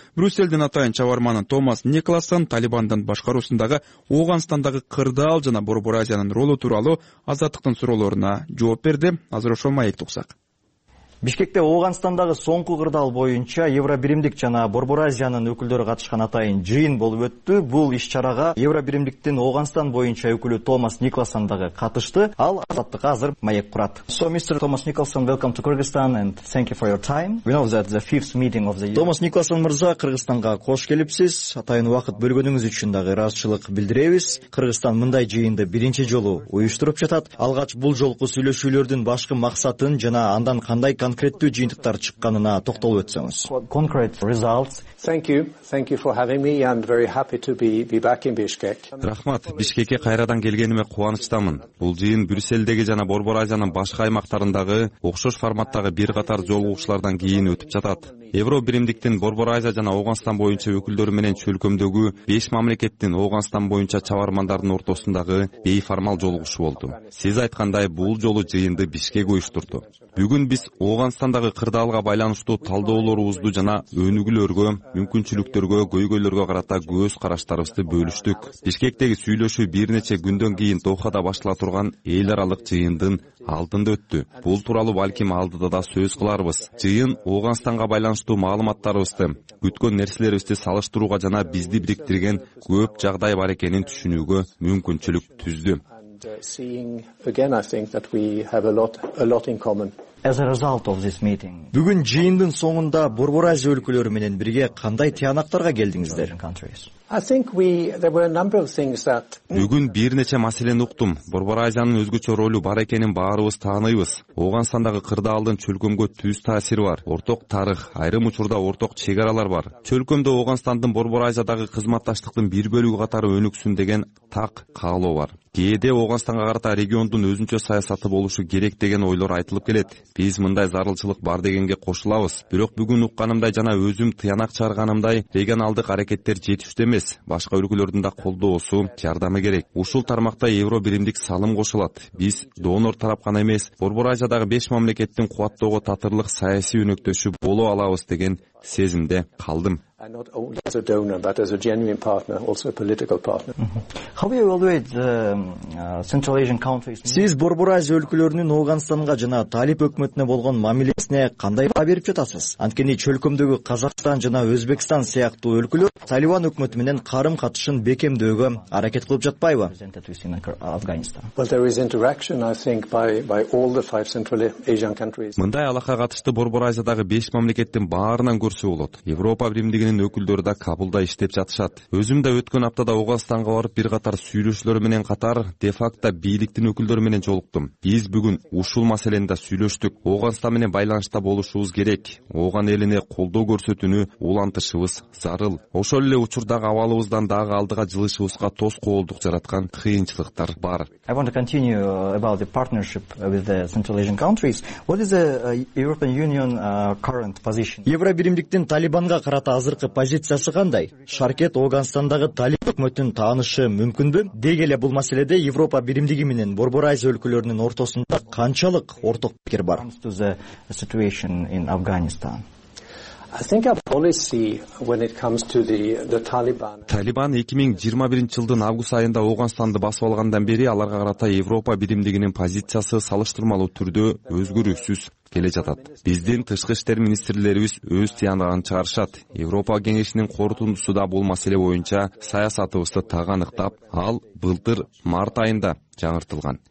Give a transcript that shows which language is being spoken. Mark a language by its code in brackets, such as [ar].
[ky] Брюсселден атайын чабарманын Томас Николастан Талибандын башкаруусундагы Оогонстандагы кырдаал жана Борбор Азиянын ролу тууралуу азаттыктын суроолоруна жооп берди. Азыр ошол маекти уксак. Бишкекте Ооганстандагы соңку кырдаал боюнча Евробиримдик жана Борбор Азиянын өкүлдөрү катышкан атайын жыйын болуп өттү. Бул иш чарага Евробиримдиктин Ооганстан боюнча өкүлү Томас Николсон дагы катышты. Ал азаттыкка азыр маек курат. [en] So, Mr. Thomas Nicholson, welcome to Kyrgyzstan and thank you for your time. We know that the fifth meeting of the year. [ky] Томас Николсон мырза, Кыргызстанга кош келипсиз. Атайын убакыт бөлгөнүңүз үчүн дагы ыраазычылык билдиребиз. Кыргызстан мындай жыйынды биринчи жолу уюштуруп жатат. Алгач бул жолку сүйлөшүүлөрдүн башкы максатын жана андан кандай конкреттүү жыйынтыктар чыкканына токтолуп өтсөңүз. [en] Concrete results. Thank you for having me. I'm very happy to be back in Bishkek. [ky] Рахмат, Бишкекке кайрадан келгениме кубанычтамын. Бул жыйын Брюссельдеги жана Борбор Азиянын башка аймактарындагы окшош форматтагы бир катар жолугушуулардан кийин өтүп жатат. Евробиримдиктин Борбор Азия жана Ооганстан боюнча өкүлдөрү менен чөлкөмдөгү 5 мамлекеттин Ооганстан боюнча чабармандардын ортосундагы бейформал жолугушуу болду. Сиз айткандай, бул жолу жыйынды Бишкек уюштурду. Бүгүн биз Оогонстандагы кырдаалга байланыштуу талдоолорубузду жана өнүгүүлөргө, мүмкүнчүлүктөргө, көйгөйлөргө карата көз караштарыбызды бөлүштүк. Бишкектеги сүйлөшүү бир нече күндөн кийин Дохада башкарыла турган эл аралык жыйындын алдында өттү. Бул тууралуу балким алдыда да сөз кыларбыз. Жыйын Ооганстанга байланыштуу маалыматтарыбызды, күткөн нерселерибизди салыштырууга жана бизди бириктирген көп жагдай бар экенин түшүнүүгө мүмкүнчүлүк түздү. [en] Seeing again, I think that we have a lot in common. As a result of this meeting. [ky] Бүгүн жыйындын соңунда Борбор Азия өлкөлөрү менен бирге кандай тыянактарга келдиңиздер? Бүгүн бир нече маселени уктум. Борбор Азиянын өзгөчө ролу бар экенин баарыбыз тааныйбыз. Оогонстандагы кырдаалдын чөлкөмгө түз таасири бар. Орток тарых, айрым учурда орток чек аралар бар. Чөлкөмдө Оогонстандын Борбор Азиядагы кызматташтыктын бир бөлүгү катары өнүксүн деген так каалоо бар. Кээде Ооганстанга карата региондун өзүнчө саясаты болушу керек деген ойлор айтылып келет. Биз мындай зарылчылык бар дегенге кошулабыз. Бирок бүгүн укканымдай жана өзүм тыянак чыгарганымдай регионалдык аракеттер жетиштүү эмес. Башка өлкөлөрдүн да колдоосу, жардамы керек. Ушул тармакта Евробиримдик салым кошулат. Биз донор тарап гана эмес, Борбор Азиядагы 5 мамлекеттин кубаттоого татырлык саясий өнөктөшү боло алабыз деген сезимде калдым. [en] And not only as a donor, but as a genuine partner, also a political partner. How do you evaluate the Central Asian countries? [ky] Сиз Борбор Азия өлкөлөрүнүн Ооганстанга жана Талип өкмөтүнө болгон мамилесине кандай баа берип жатасыз? Анткени чөлкөмдөгү Казакстан жана Өзбекстан сыяктуу өлкөлөр Талибан өкмөтү менен карым катышын бекемдөөгө аракет кылып жатпайбы? [en] Well, there is interaction, I think, by all the five Central Asian countries. [ky] Мындай алака катышты Борбор Азиядагы 5 мамлекеттин баарынан көрсө болот. Европа биримдигинин өкүлдөрү да Кабулда иштеп жатышат. Өзүм да өткөн аптада Ооганстанга барып, бир катар сүйлөшүүлөр менен катар де-факто бийликтин өкүлдөрү менен жолуктум. Биз бүгүн ушул маселени да сүйлөштүк. Ооганстан менен байланышта болушубуз керек. Ооган элине колдоо көрсөтүүнү улантышыбыз зарыл. Ошол эле учурдагы абалыбыздан дагы алдыга жылышыбызга тоскоолдук жараткан кыйынчылыктар бар. [en] I want to continue about the partnership with the Central Asian countries. What is the European Union current position? [ky] Евробиримдиктин Талибанга карата азыркы позициясы кандай? Шаркет Ооганстандагы Талип өкмөтүн таанышы мүмкүнбү? Деги эле бул маселеде Европа Биримдиги менен Борбор Азия өлкөлөрүнүн ортосунда канчалык ортоктук пикир бар? [en] I think our policy when it comes to the Taliban. [ky] Талибан 2021 жылдын август айында Ооганстанды басып алгандан бери аларга карата Европа Биримдигинин позициясы салыштырмалуу түрдө өзгөрүүсүз келе жатат. Биздин тышкы иштер министрлерибиз өз тыянагын чыгарышат. Европа кеңешинин корутундусу да бул маселе боюнча саясатыбызды тааныктап, ал былтыр март айында жаңыртылган.